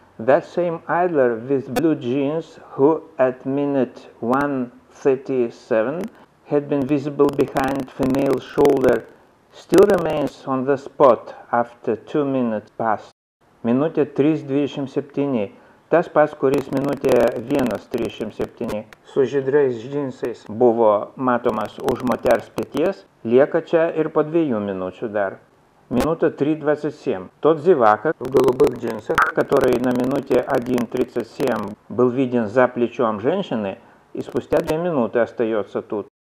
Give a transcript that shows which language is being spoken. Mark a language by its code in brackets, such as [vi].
[en] That same idler with blue jeans who at minute 1:37 had been visible behind female shoulder still remains on the spot after 2 minutes past. [lt] minutė 3:27. Tas pats, kuris minutė 1:37 su žydrais džinsais buvo matomas už moters pėties, lieka čia ir po 2 minučių dar. Minutė 3:27. [ru] Тот зевака в голубых джинсах, который на минуте 1:37 был виден за плечом женщины, и спустя 2 минуты остается тут.